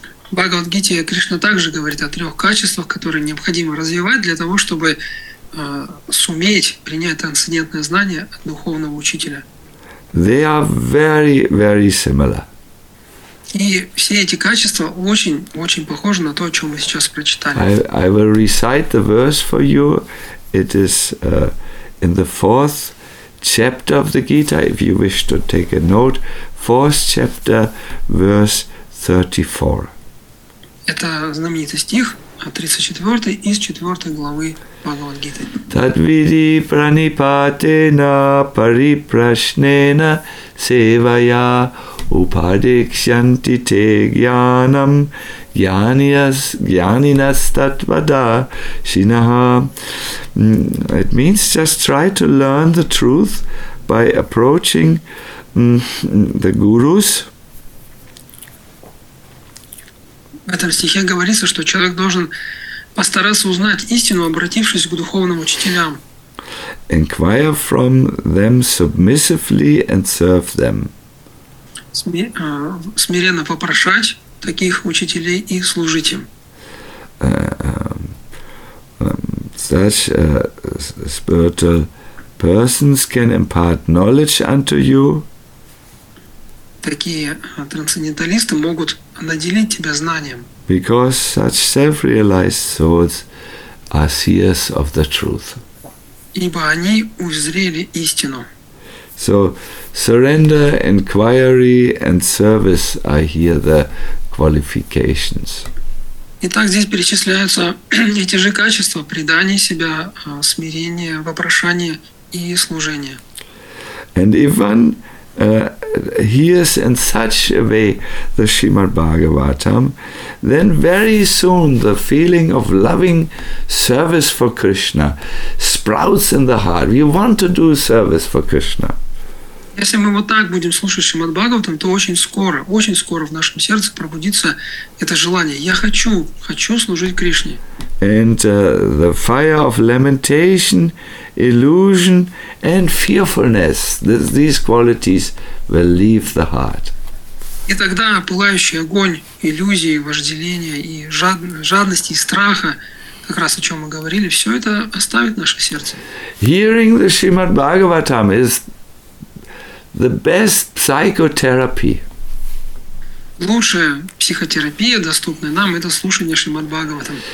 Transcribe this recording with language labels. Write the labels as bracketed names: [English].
[Russian] В Бхагавад-гите Кришна также говорит о трех качествах, которые необходимо развивать для того, чтобы суметь принять трансцендентное знание от духовного учителя. [English] They are very, very similar. [Russian] И все эти качества очень-очень похожи на то, о чем мы сейчас прочитали. [English] I will recite the verse for you. It is in the fourth chapter of the Gita, if you wish to take a note. Fourth chapter, verse 34. [Russian] Это знаменитый стих, 34-й из 4-й главы Бхагавад-гиты. [Sanskrit] Тадвиди пранипатена парипрашнена севая упадикшанти те гьянам гьянинастатвада синаха. [English] It means just try to learn the truth by approaching the gurus. [Russian] В этом стихе говорится, что человек должен постараться узнать истину, обратившись к духовным учителям. [English] Inquire from them submissively and serve them. [Russian] Смиренно попрошать таких учителей и служить им. [English] Such spiritual persons can impart knowledge unto you. [Russian] Такие трансценденталисты могут наделить тебя знанием. [English] Because such self-realized souls are seers of the truth. [Russian] Ибо они узрели истину. [English] So surrender, inquiry, and service are here the qualifications. [Russian] Итак, здесь перечисляются эти же качества: предание себя, смирение, вопрошание и служение. [English] And even hears in such a way the Srimad Bhagavatam, then very soon the feeling of loving service for Krishna sprouts in the heart. We want to do service for Krishna. [Russian] Если мы вот так будем слушать Шримад Бхагаватам, то очень скоро в нашем сердце пробудится это желание. Я хочу, хочу служить Кришне. [English] And the fire of lamentation, illusion, and fearfulness, these qualities will leave the heart. [Russian] И тогда пылающий огонь иллюзии, вожделения и жадности и страха, как раз о чем мы говорили, все это оставит наше сердце. [English] Hearing the Shrimad Bhagavatam is the best psychotherapy. [Russian] Лучшая психотерапия, доступная нам, это слушание Шримад Бхагаватам.